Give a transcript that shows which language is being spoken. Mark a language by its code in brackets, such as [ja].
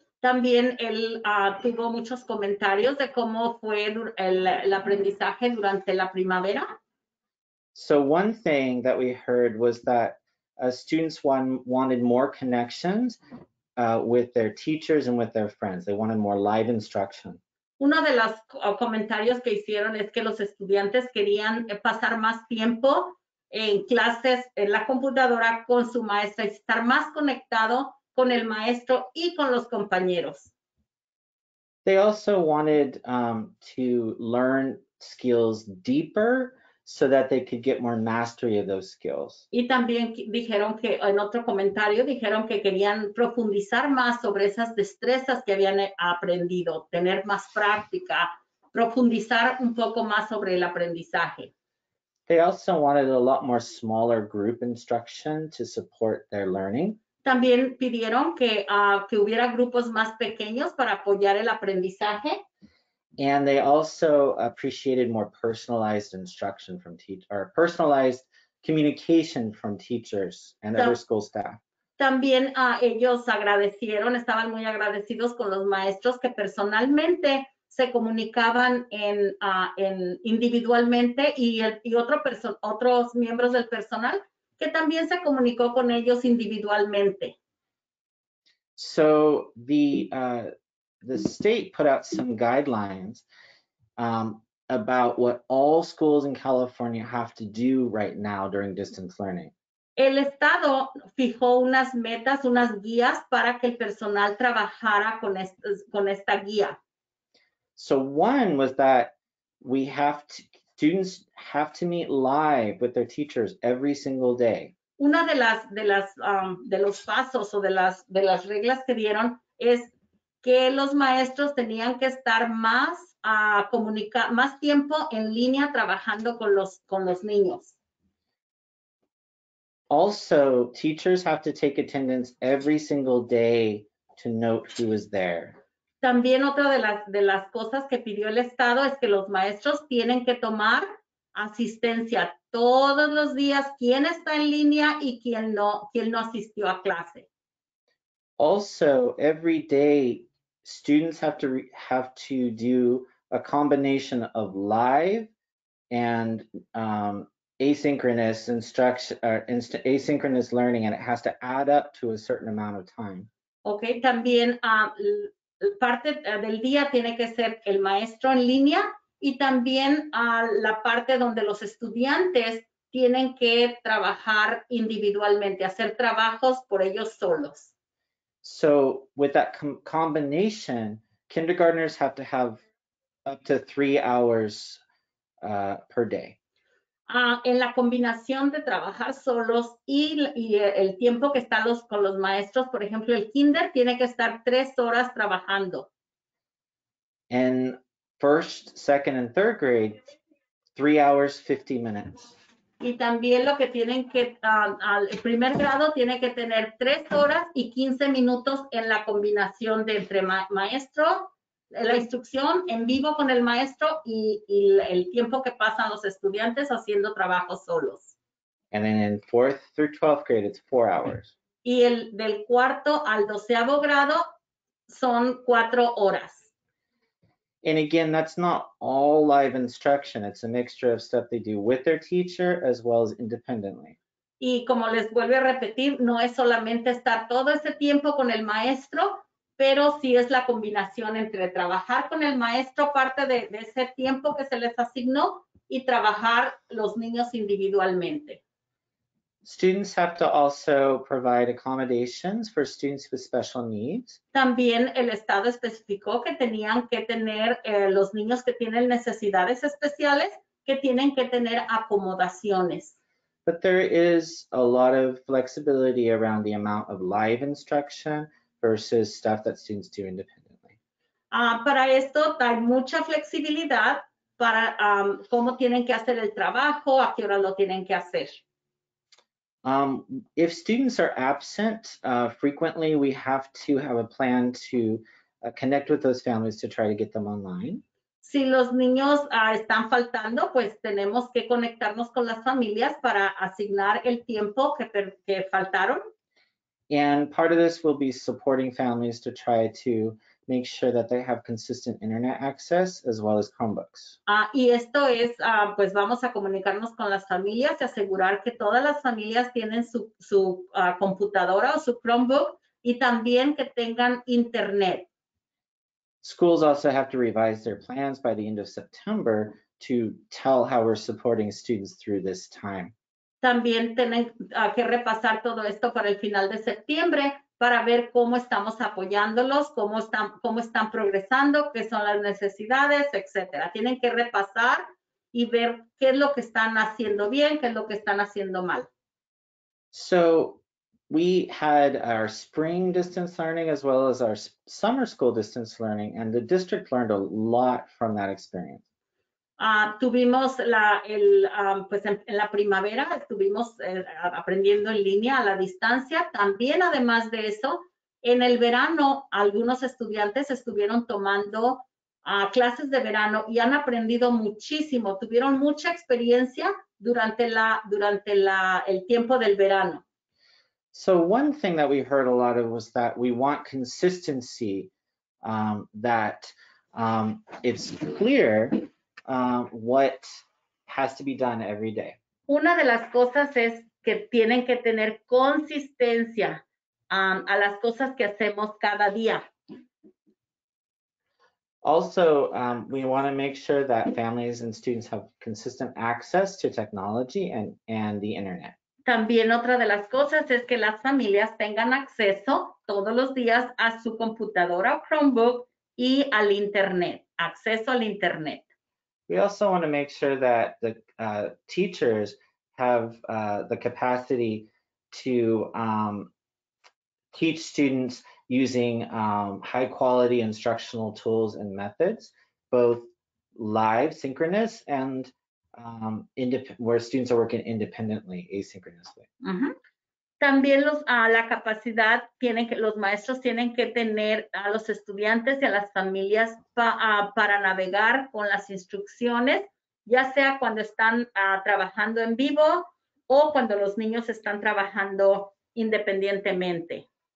[es] También él tuvo muchos comentarios de cómo fue el aprendizaje durante la primavera. [en] So one thing that we heard was that students wanted more connections with their teachers and with their friends. They wanted more live instruction. [es] Uno de los comentarios que hicieron es que los estudiantes querían pasar más tiempo en clases en la computadora con su maestra y estar más conectado con el maestro y con los compañeros. [en] They also wanted to learn skills deeper so that they could get more mastery of those skills. [es] Y también dijeron que, en otro comentario, dijeron que querían profundizar más sobre esas destrezas que habían aprendido, tener más práctica, profundizar un poco más sobre el aprendizaje. [en] They also wanted a lot more smaller group instruction to support their learning. [es] También pidieron que hubiera grupos más pequeños para apoyar el aprendizaje. [en] And they also appreciated more personalized instruction from teachers, or personalized communication from teachers and other school staff. [es] También ellos agradecieron, estaban muy agradecidos con los maestros que personalmente se comunicaban en individualmente y otros miembros del personal que también se comunicó con ellos individualmente. [en] So the state put out some guidelines about what all schools in California have to do right now during distance learning. [es] El estado fijó unas metas, unas guías para que el personal trabajara con esta guía. [en] So one was that we have to, students have to meet live with their teachers every single day. [es] Una de los pasos o de las reglas que dieron es que los maestros tenían que estar más a comunicar más tiempo en línea trabajando con los niños. [en] Also, teachers have to take attendance every single day to note who is there. [es] También otra de las cosas que pidió el estado es que los maestros tienen que tomar asistencia todos los días, quién está en línea y quién no asistió a clase. [en] Also, every day students have to do a combination of live and asynchronous instruction or asynchronous learning, and it has to add up to a certain amount of time. [es] Okay, también parte del día tiene que ser el maestro en línea y también la parte donde los estudiantes tienen que trabajar individualmente, hacer trabajos por ellos solos. [en] So with that combination, kindergartners have to have up to 3 hours per day. [es] En la combinación de trabajar solos y el tiempo que están con los maestros, por ejemplo, el kinder tiene que estar 3 horas trabajando. [en] En first, second, and third grade, 3 hours, 50 minutes. [es] Y también lo que tienen que, el primer grado tiene que tener 3 horas y 15 minutos en la combinación de entre maestro, la instrucción en vivo con el maestro y el tiempo que pasan los estudiantes haciendo trabajos solos. [en] And then in fourth through 12th grade, it's 4 hours. [es] Y el del cuarto al doceavo grado son 4 horas. [en] And again, that's not all live instruction. It's a mixture of stuff they do with their teacher as well as independently. [es] Y como les vuelvo a repetir, no es solamente estar todo ese tiempo con el maestro, pero sí es la combinación entre trabajar con el maestro parte de ese tiempo que se les asignó y trabajar los niños individualmente. [en] Students have to also provide accommodations for students with special needs. [es] También el estado especificó que tenían que tener los niños que tienen necesidades especiales, que tienen que tener acomodaciones. [en] But there is a lot of flexibility around the amount of live instruction versus stuff that students do independently. [es] Para esto hay mucha flexibilidad para cómo tienen que hacer el trabajo, a qué hora lo tienen que hacer. [en] If students are absent frequently, we have to have a plan to connect with those families to try to get them online. [es] Si los niños están faltando, pues tenemos que conectarnos con las familias para asignar el tiempo que faltaron. [en] And part of this will be supporting families to try to make sure that they have consistent internet access as well as Chromebooks. [es] Y esto es, pues vamos a comunicarnos con las familias y asegurar que todas las familias tienen su computadora o su Chromebook y también que tengan internet. [en] Schools also have to revise their plans by the end of September to tell how we're supporting students through this time. [es] También tienen que repasar todo esto para el final de septiembre para ver cómo estamos apoyándolos, cómo están progresando, qué son las necesidades, etcétera. Tienen que repasar y ver qué es lo que están haciendo bien, qué es lo que están haciendo mal. [en] So we had our spring distance learning as well as our summer school distance learning, and the district learned a lot from that experience. [es] Tuvimos en la primavera estuvimos aprendiendo en línea a la distancia. También, además de eso, en el verano algunos estudiantes estuvieron tomando a clases de verano y han aprendido muchísimo, tuvieron mucha experiencia durante el tiempo del verano. [en] So one thing that we heard a lot of was that we want consistency, that it's clear what has to be done every day. [es] Una de las cosas es que tienen que tener consistencia a las cosas que hacemos cada día. [en] Also, we want to make sure that families and students have consistent access to technology and the internet. [es] También otra de las cosas es que las familias tengan acceso todos los días a su computadora, Chromebook, y al internet, acceso al internet. [en] We also want to make sure that the teachers have the capacity to teach students using high quality instructional tools and methods, both live synchronous and where students are working independently, asynchronously. [es] También los la capacidad tienen que los maestros tienen que tener a los estudiantes y a las familias para navegar con las instrucciones, ya sea cuando están trabajando en vivo o cuando los niños están trabajando independientemente.